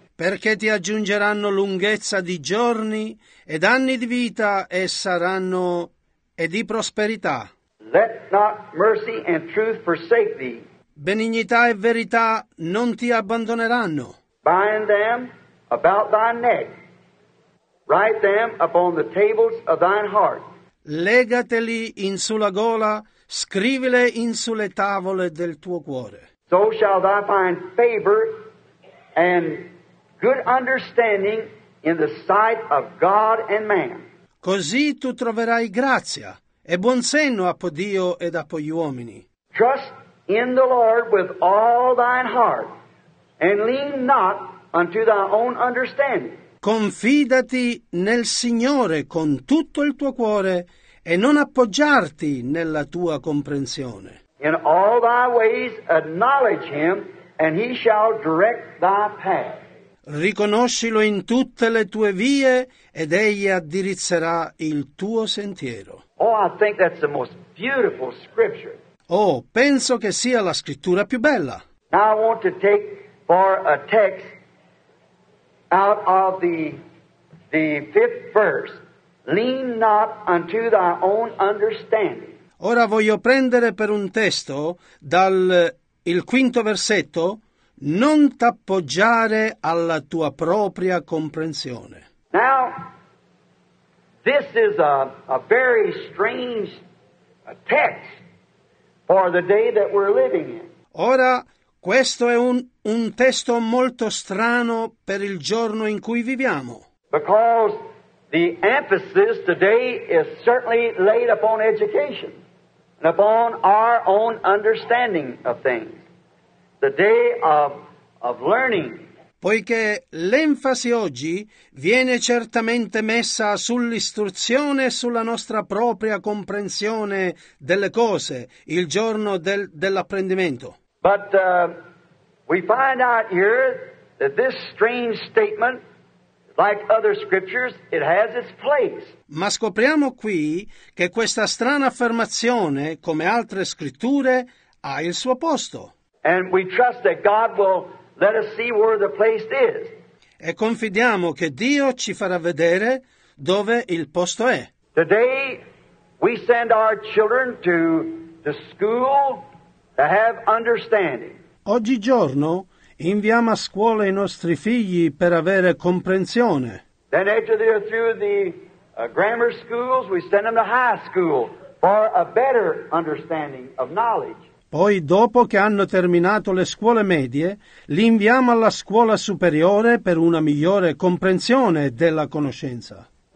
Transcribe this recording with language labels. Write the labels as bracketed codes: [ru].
[it] Perché ti aggiungeranno lunghezza di giorni ed anni di vita e saranno e di prosperità. [en] Let not mercy and truth forsake thee. [it] Benignità e verità non ti abbandoneranno. [en] Bind them about thy neck. Write them upon the tables of thine heart. [it] legateli in sulla gola, scrivile in sulle tavole del tuo cuore. [en] So shall thou find favor and good understanding in the sight of God and man. [it] Così tu troverai grazia e buon senno appo Dio ed appo gli uomini. [en] Trust in the Lord with all thine heart and lean not unto thy own understanding. [it] Confidati nel Signore con tutto il tuo cuore e non appoggiarti nella tua comprensione. [en] In all thy ways acknowledge him and he shall direct thy path. [it] Riconoscilo in tutte le tue vie ed egli addirizzerà il tuo sentiero. [en] Oh, I think that's the most beautiful scripture. [it] Oh, penso che sia la scrittura più bella. [en] Now I want to take for a text out of the fifth verse. Lean not unto thy own understanding. [it] Ora voglio prendere per un testo dal il quinto versetto. Non t'appoggiare alla tua propria comprensione. [en] Now, this is a very strange text for the day that we're living in. [it] Ora, questo è un testo molto strano per il giorno in cui viviamo. [en] Because the emphasis today is certainly laid upon education and upon our own understanding of things. The day of learning. [it] Poiché l'enfasi oggi viene certamente messa sull'istruzione e sulla nostra propria comprensione delle cose, il giorno dell'apprendimento. [en] But we find out here that this strange statement, like other scriptures, it has its place. [it] Ma scopriamo qui che questa strana affermazione, come altre scritture, ha il suo posto. [en] And we trust that God will let us see where the place is. [it] E confidiamo che Dio ci farà vedere dove il posto è. [en] Today we send our children to the school to have understanding. [it] Oggigiorno inviamo a scuola i nostri figli per avere comprensione. [en] Then after they're through the grammar schools, we send them to high school for a better understanding of knowledge. [it] Poi, dopo che hanno terminato le scuole medie, li inviamo alla scuola superiore per una migliore comprensione della conoscenza.